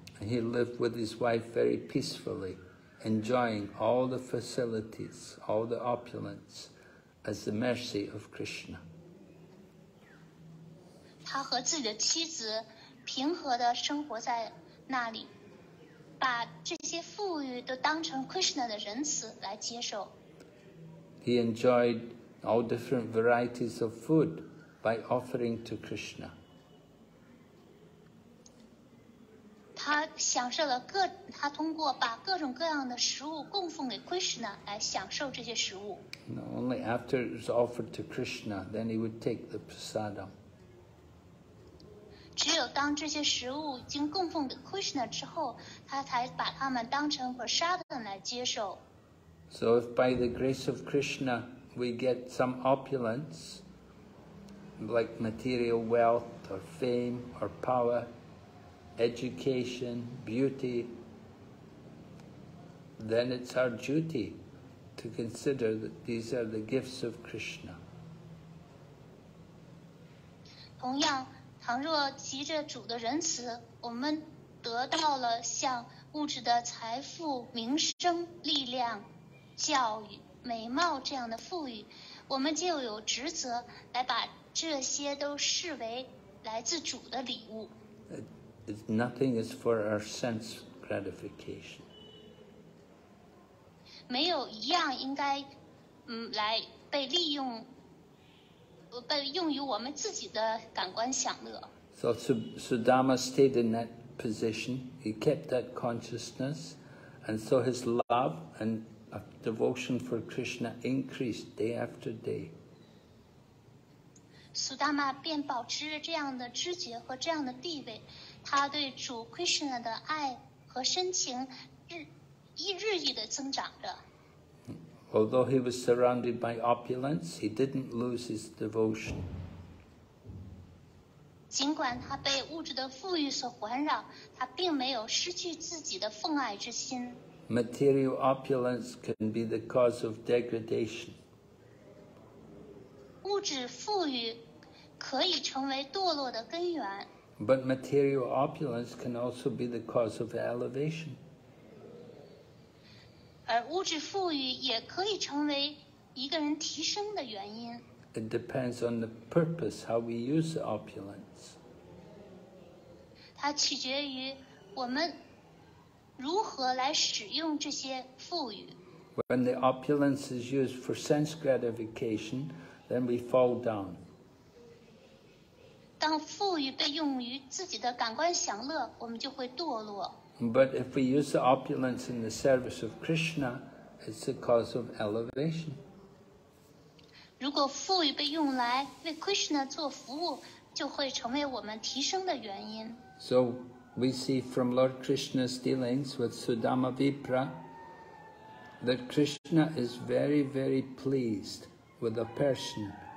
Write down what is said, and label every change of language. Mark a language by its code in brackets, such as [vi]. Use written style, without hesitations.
[en] He lived with his wife very peacefully, enjoying all the facilities, all the opulence, as the mercy of Krishna. [zh] 他和自己的妻子平和地生活在那里，把这些富裕都当成 Krishna 的仁慈来接受。 [en] He enjoyed all different varieties of food by offering to Krishna. [zh] 他他享受了各，他通过把各种各样的食物供奉给 Krishna 来享受这些食物。 [en] Only after it was offered to Krishna, then he would take the prasadam. [zh] 只有当这些食物已经供奉给 Krishna 之后，他才把它们当成 prasadam 来接受。 [en] So if by the grace of Krishna we get some opulence, like material wealth or fame or power, education, beauty, then it's our duty to consider that these are the gifts of Krishna. [zh] 同样，倘若急着主的仁慈，我们得到了像物质的财富、名声、力量、教育、美貌这样的富裕，我们就有职责来把这些都视为来自主的礼物。 [en] Nothing is for our sense gratification. [zh] 没有一样应该，来被利用，被用于我们自己的感官享乐。 [en] So Sudama stayed in that position. He kept that consciousness, and so his love and devotion for Krishna increased day after day. [zh] Sudama 便保持这样的知觉和这样的地位。他对主 Krishna 的爱和深情日益的增长着。 [en] Although he was surrounded by opulence, he didn't lose his devotion. [zh] 尽管他被物质的富裕所环绕，他并没有失去自己的奉爱之心。 [en] Material opulence can be the cause of degradation. [zh] 物质富裕可以成为堕落的根源。 [en] But material opulence can also be the cause of elevation. [zh] 而物质富裕也可以成为一个人提升的原因。 [en] It depends on the purpose, how we use the opulence. [zh] 它取决于我们如何来使用这些富裕。 [en] When the opulence is used for sense gratification, then we fall down. [zh] 当富裕被用于自己的感官享乐，我们就会堕落。 [en] But if we use the opulence in the service of Krishna, it's the cause of elevation. [zh] 如果富裕被用来为 Krishna 做服务，就会成为我们提升的原因。 [en] So we see from Lord Krishna's dealings with Sudama Vipra that Krishna is very, very pleased with a person.